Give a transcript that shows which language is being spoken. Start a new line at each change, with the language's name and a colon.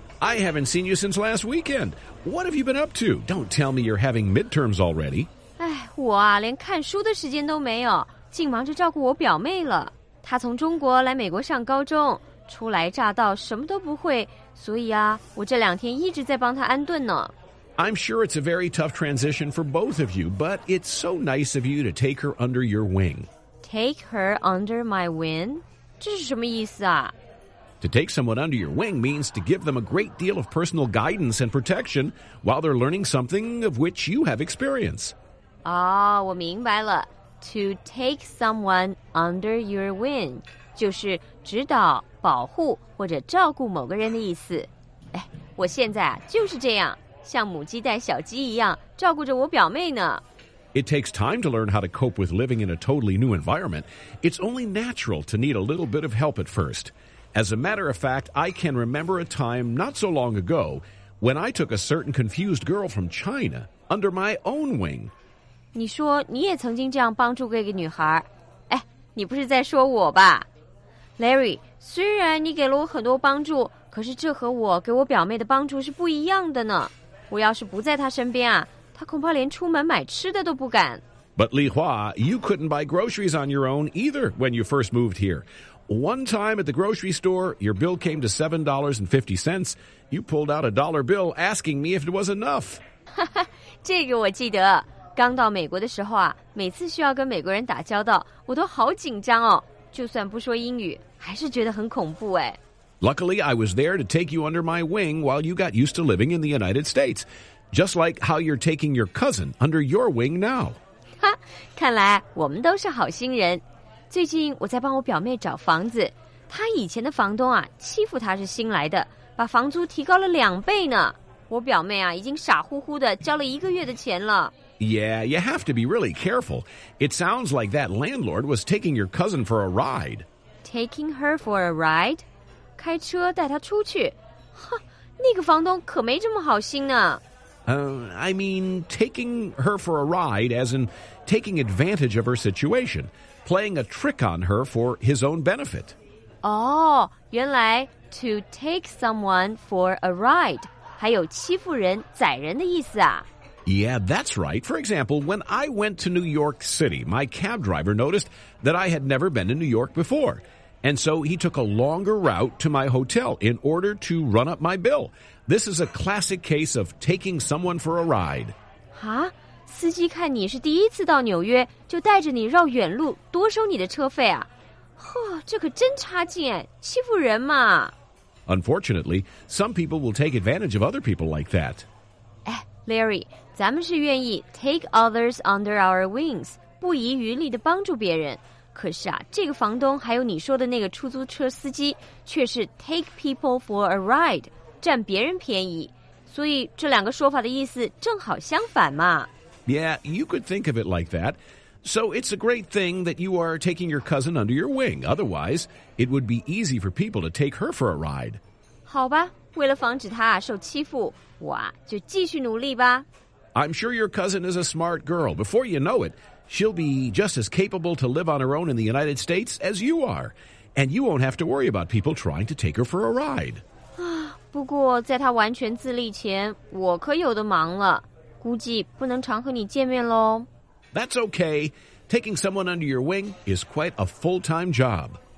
English: I haven't seen you since last weekend. What have you been up to? Don't tell me you're having midterms already.
Chinese: 哎，我啊，连看书的时间都没有，竟忙着照顾我表妹了。她从中国来美国上高中，初来乍到，什么都不会。所以啊，我这两天一直在帮他安顿呢。
English: I'm sure it's a very tough transition for both of you, but it's so nice of you to take her under your wing. Take her under my wing?
Chinese: 这是什么意思啊？
English: To take someone under your wing means to give them a great deal of personal guidance and protection while they're learning something of which you have experience.
Chinese: 哦，我明白了。
English: To take someone under your wing
Chinese: 就是指导。保护或者照顾某个人的意思。哎，我现在啊就是这样，像母鸡带小鸡一样照顾着我表妹呢。
English: It takes time to learn how to cope with living in a totally new environment. It's only natural to need a little bit of help at first. As a matter of fact, I can remember a time not so long ago when I took a certain confused girl from China under my own wing.
Chinese: 你说你也曾经这样帮助过一个女孩？哎，你不是在说我吧？ Larry, 虽然你给了我很多帮助，可是这和我给我表妹的帮助是不一样的呢。我要是不在她身边啊，她恐怕连出门买吃的都不敢。
English: But Li Hua, you couldn't buy groceries on your own either when you first moved here. One time at the grocery store, your bill came to $7.50. You pulled out a dollar bill asking me if it was enough.
Chinese: 这个我记得。刚到美国的时候啊，每次需要跟美国人打交道，我都好紧张哦。就算不说英语，还是觉得很恐怖哎。
English: Luckily, I was there to take you under my wing while you got used to living in the United States, just like how you're taking your cousin under your wing now.
Chinese: 哈，看来我们都是好心人。最近我在帮我表妹找房子，他以前的房东啊，欺负他是新来的，把房租提高了两倍呢。我表妹啊，已经傻乎乎的交了一个月的钱了。
English: Yeah, you have to be really careful. It sounds like that landlord was taking your cousin for a ride. Taking her for a ride?
Chinese: 开车带她出去？哼，那个房东可没这么好心呢。
English: I mean, taking her for a ride, as in taking advantage of her situation, playing a trick on her for his own benefit.
Chinese: Oh, 原来
English: to take someone for a ride
Chinese: 还有欺负人、宰人的意思啊。
English: Yeah, that's right. For example, when I went to New York City, my cab driver noticed that I had never been to New York before. And so he took a longer route to my hotel in order to run up my bill. This is a classic case of taking someone for a ride.
Chinese: 啊，司机看你是第一次到纽约，就带着你绕远路，多收你的车费啊。呵，这可真差劲哎，欺负人嘛。
English: Unfortunately, some people will take advantage of other people like that.
Chinese: Larry, 咱们是愿意
English: take others under our wings,
Chinese: 不遗余力地帮助别人。可是啊，这个房东还有你说的那个出租车司机却是
English: take people for a ride,
Chinese: 占别人便宜。所以这两个说法的意思正好相反嘛。
English: Yeah, you could think of it like that. So it's a great thing that you are taking your cousin under your wing. Otherwise, it would be easy for people to take her for a ride.
Chinese: 好吧。为了防止他受欺负，我就继续努力吧。
English: I'm sure your cousin is a smart girl. Before you know it, she'll be just as capable to live on her own in the United States as you are. And you won't have to worry about people trying to take her for a ride.
Chinese: 不过在她完全自立前，我可有的忙了，估计不能常和你见面咯。
English: That's okay. Taking someone under your wing is quite a full-time job.